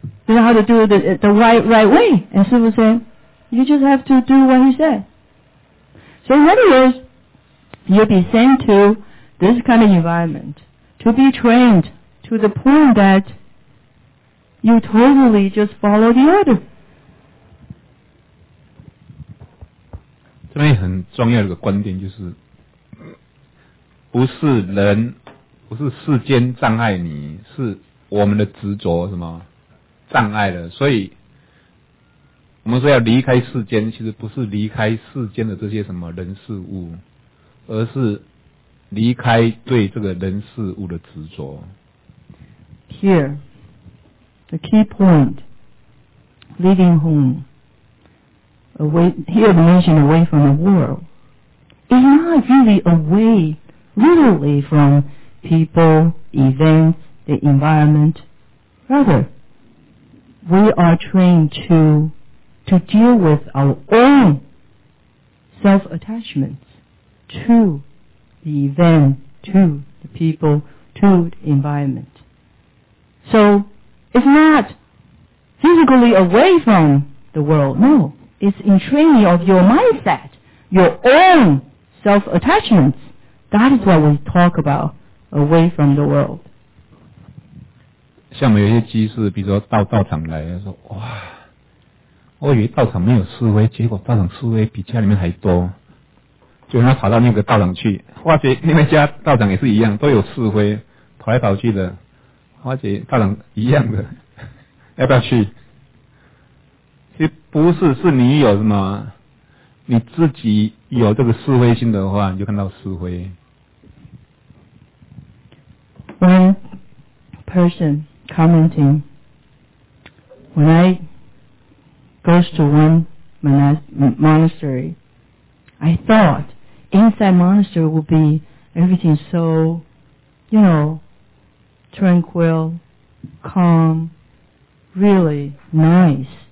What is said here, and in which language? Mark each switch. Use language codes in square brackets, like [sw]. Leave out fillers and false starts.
[en] You know how to do the right way. And Sifu said, you just have to do what he said. So in other words, you'll be sent to this kind of environment to be trained to the point that you totally just follow the order. [zh] 这边很重要的一个观点就是不是人不是世间障碍你是我们的执着什么障碍了，所以我们说要离开世间，其实不是离开世间的这些什么人事物，而是离开对这个人事物的执着。 [en] Here, the key point, leaving home, away, here the mention away from the world, is not really away, literally from people, events, the environment, rather. We are trained to deal with our own self-attachments to the event, to the people, to the environment. So, it's not physically away from the world, no. It's in training of your mindset, your own self-attachments. That is what we talk about, away from the world. [zh] 像我们有些居士，比如说到道场来，说哇，我以为道场没有是非，结果道场是非比家里面还多，就让他跑到那个道场去，发觉那边家道场也是一样，都有是非，跑来跑去的，发觉道场一样的，要不要去？其实不是，是你有什么，你自己有这个是非心的话，你就看到是非。 [en] One person. Commenting, when I go to one monastery, I thought inside monastery would be everything so, you know, tranquil, calm, really nice.